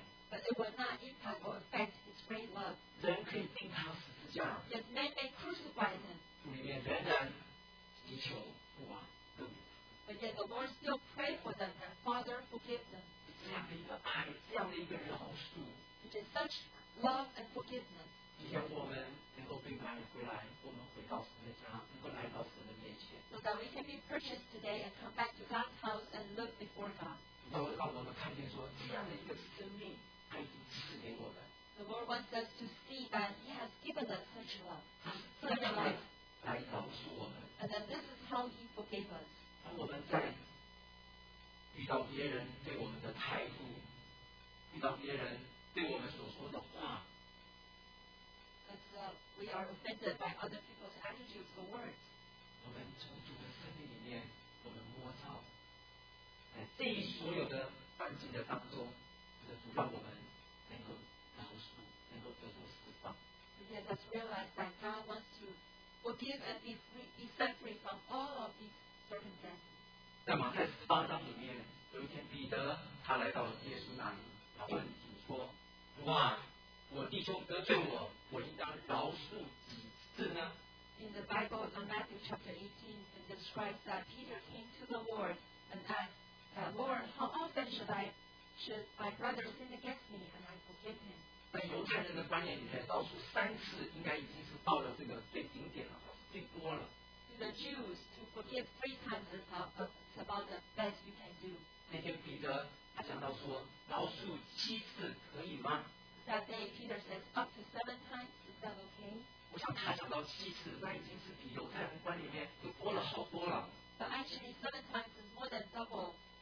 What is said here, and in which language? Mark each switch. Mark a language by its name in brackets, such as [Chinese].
[English] But it will not impact or affect his great love. [Chinese] 人可以定他十字架。 [English] Yet men may crucify him. [Chinese] 主里面仍然祈求父王赦免他。 [English] But yet the Lord still pray for them and Father forgive them. [Chinese] 这样的一个爱，这样的一个饶恕。 [English] It is such love and forgiveness. [Chinese] 以前我们能够被买回来，我们回到神的家，能够来到神的面前。 [English] So that we can be purchased today and come back to God's house and live before God. [Chinese] 让我们看见说这样的一个生命他已经赐给我们。 [English] The Lord wants us to see that He has given us such love, such a life. [Chinese] 来饶恕我们。 [English] And that this is how He forgave us. [Chinese] 当我们在遇到别人对我们的态度，遇到别人对我们所说的话 [English] ，As we are offended by other people's attitudes or words, [Chinese] 我们从主的生命里面，我们摸到。这一所有的环境的当中，就是主让我们能够饶恕，能够得到释放。 [English] Yet let's realize that God wants to forgive and be free, be set free from all of these circumstances. [Chinese] 在马太十八章里面，有一天彼得他来到耶稣那里，他问主说：“主啊，我弟兄得罪我，我应当饶恕几次呢？” [English] In the Bible, in Matthew chapter 18, it describes that Peter came to the Lord and asked. Lord, how often should my brother sin against me and I forgive him? [Chinese] 在犹太人的观念里面，饶恕三次应该已经是到了这个最顶点了，最多了。 [English] The Jews to forgive three times is about the best you can do. [Chinese] 那天彼得他讲到说，饶恕七次可以吗 [English] ？That day Peter says up to seven times is that okay? [Chinese] 我想他讲到七次，那已经是比犹太人观念里面就多了好多了。 [English] But actually, seven times is more than double.